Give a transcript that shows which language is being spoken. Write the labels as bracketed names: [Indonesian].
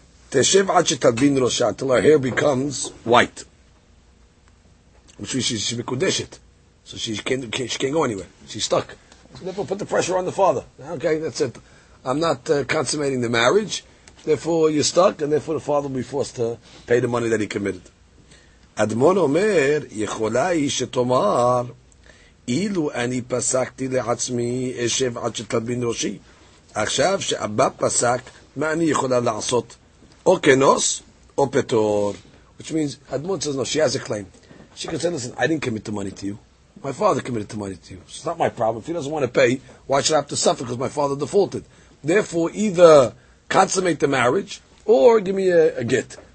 [Hebrew] Teshev ad shetalbin rosha, [English] until her hair becomes white, which means she mekudesh it, so she can't go anywhere. She's stuck. So therefore, put the pressure on the father. Okay, that's it. I'm not consummating the marriage. Therefore, you're stuck, and therefore the father will be forced to pay the money that he committed. [Hebrew] Admon omer yechola ish tomar. אילו אני פסקתי לעצמי אשב עד שתלבין ראשי. עכשיו שאבא פסק, מה אני יכולה לעשות? או כנוס, או פטור. [English] Which means, Admon says, no, she has a claim. She can say, listen, I didn't commit the money to you. My father committed the money to you. It's not my problem. If he doesn't want to pay, why should I have to suffer? Because my father defaulted. Therefore, either consummate the marriage, or give me a get.